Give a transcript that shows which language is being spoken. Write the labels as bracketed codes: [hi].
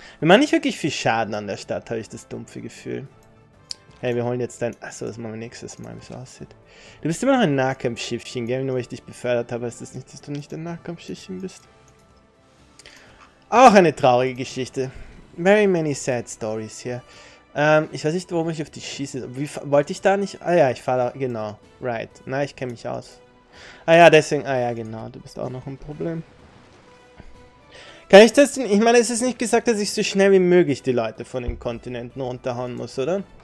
[de] Wir machen nicht wirklich viel Schaden an der Stadt, habe ich das dumpfe Gefühl. Hey, wir holen jetzt dein... Achso, das machen wir nächstes Mal, wie es aussieht. Du bist immer noch ein Nahkampfschiffchen, gell? Nur weil ich dich befördert habe, ist das nicht, dass du nicht ein Nahkampfschiffchen bist. Auch eine traurige Geschichte. [en] Very many sad stories here. [de] Ich weiß nicht, warum ich auf dich schieße. Wie wollte ich da nicht... Ah ja, ich fahre da... Genau, right. Na, ich kenne mich aus. Ah ja, deswegen... Ah ja, genau, du bist auch noch ein Problem. Kann ich das denn? Ich meine, es ist nicht gesagt, dass ich so schnell wie möglich die Leute von den Kontinenten runterhauen muss, oder?